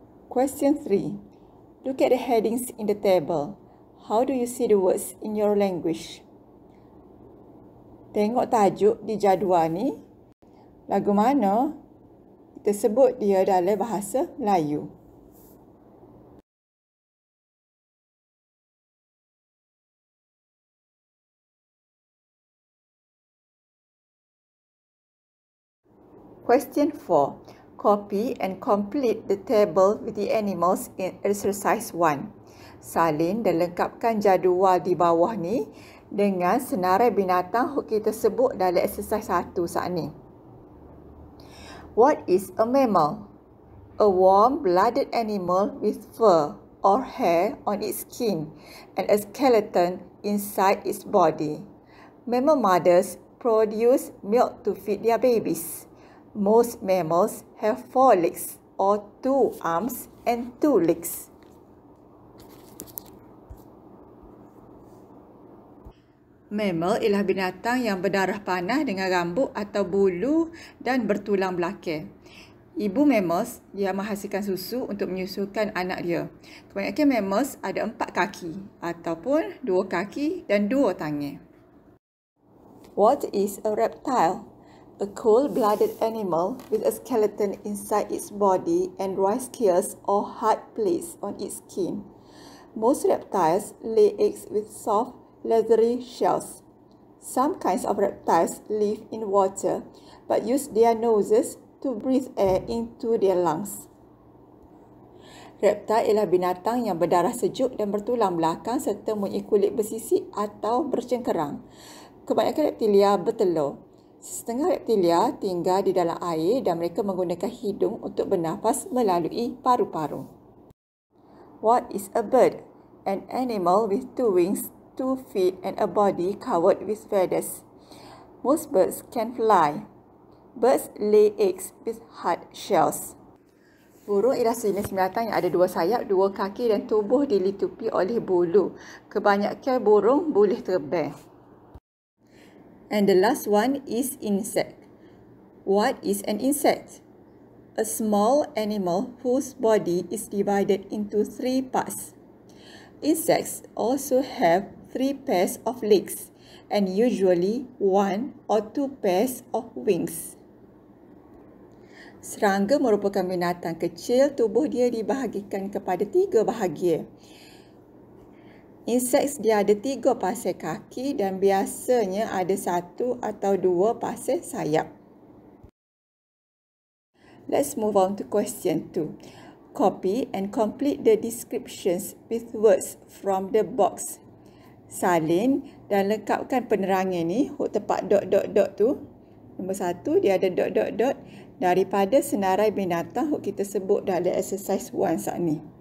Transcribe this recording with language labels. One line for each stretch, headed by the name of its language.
English: Question 3. Look at the headings in the table. How do you see the words in your language?
Malay: Tengok tajuk di jadual ni. Lagu mana tersebut dia dalam bahasa Melayu?
English: Question 4. Copy and complete the table with the animals in exercise 1.
Malay: Salin dan lengkapkan jadual di bawah ni dengan senarai binatang yang kita sebut dalam exercise 1 saat ni.
English: What is a mammal? A warm-blooded animal with fur or hair on its skin and a skeleton inside its body. Mammal mothers produce milk to feed their babies. Most mammals have 4 legs or 2 arms and 2 legs.
Malay: Mammal ialah binatang yang berdarah panas dengan rambut atau bulu dan bertulang belakang. Ibu mammals dia menghasilkan susu untuk menyusukan anak dia. Kebanyakan mammals ada 4 kaki ataupun 2 kaki dan 2 tangan.
English: What is a reptile? A cold-blooded animal with a skeleton inside its body and dry scales or hard plates on its skin. Most reptiles lay eggs with soft, leathery shells. Some kinds of reptiles live in water but use their noses to breathe air into their lungs.
Malay: Reptil ialah binatang yang berdarah sejuk dan bertulang belakang serta mempunyai kulit bersisik atau bercengkerang. Kebanyakan reptilia bertelur. Setengah reptilia tinggal di dalam air dan mereka menggunakan hidung untuk bernafas melalui paru-paru.
English: What is a bird? An animal with two wings, two feet and a body covered with feathers. Most birds can fly. Birds lay eggs with hard shells.
Malay: Burung ialah sejenis binatang yang ada dua sayap, dua kaki dan tubuh dilitupi oleh bulu. Kebanyakan burung boleh terbang.
English: And the last one is insect. What is an insect? A small animal whose body is divided into three parts. Insects also have three pairs of legs and usually one or two pairs of wings.
Malay: Serangga merupakan binatang kecil, tubuh dia dibahagikan kepada tiga bahagian. Insects dia ada tiga pasir kaki dan biasanya ada satu atau dua pasir sayap.
English: Let's move on to question 2. Copy and complete the descriptions with words from the box.
Malay: Salin dan lengkapkan penerangan ni huruf tepat dot-dot-dot tu. Nombor 1 dia ada dot-dot-dot. Daripada senarai binatang yang kita sebut dalam exercise 1 saat ini.